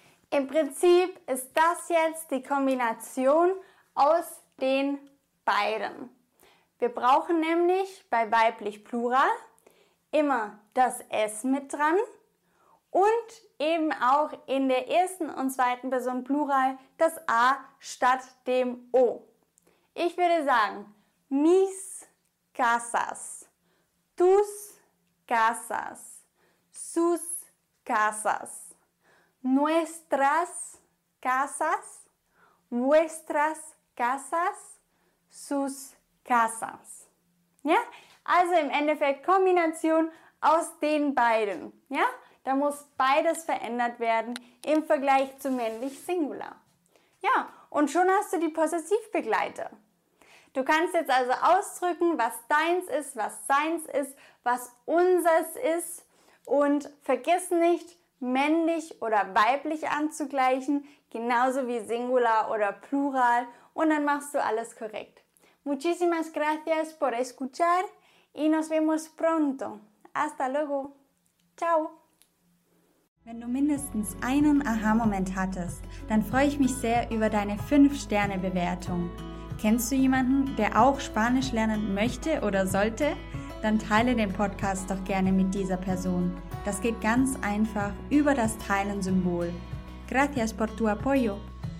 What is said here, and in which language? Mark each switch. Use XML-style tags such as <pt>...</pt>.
<de>Im Prinzip ist das jetzt die Kombination aus den beiden. Wir brauchen nämlich bei weiblich Plural immer das S mit dran und eben auch in der ersten und zweiten Person Plural das A statt dem O. Ich würde sagen,</de> <es>mis casas, tus casas, sus casas, nuestras casas, vuestras casas, sus casas.</es> <de>Ja? Also im Endeffekt Kombination aus den beiden. Ja? Da muss beides verändert werden im Vergleich zu männlich Singular. Ja, und schon hast du die Possessivbegleiter. Du kannst jetzt also ausdrücken, was deins ist, was seins ist, was unsers ist, und vergiss nicht, männlich oder weiblich anzugleichen, genauso wie Singular oder Plural, und dann machst du alles korrekt.</de> <es>Muchísimas gracias por escuchar y nos vemos pronto. Hasta luego. Ciao.</es> <de>Wenn du mindestens einen Aha-Moment hattest, dann freue ich mich sehr über deine 5-Sterne-Bewertung. Kennst du jemanden, der auch Spanisch lernen möchte oder sollte? Dann teile den Podcast doch gerne mit dieser Person. Das geht ganz einfach über das Teilen-Symbol.</de> <es>Gracias por tu apoyo.</es>